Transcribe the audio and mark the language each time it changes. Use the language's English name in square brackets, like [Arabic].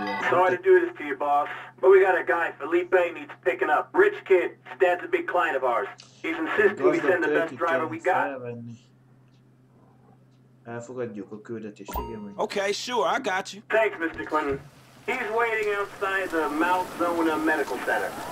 [English] Sorry to do this to you, boss, but we got a guy Felipe needs picking up. Rich kid, Stan's a big client of ours. He's insisting we send the best driver we got. [Hungarian] Elfogadjuk a küldetést, igen, mert... [English] Okay, sure, I got you. Thanks, Mr. Clinton. He's waiting outside the Mount Zona Medical Center.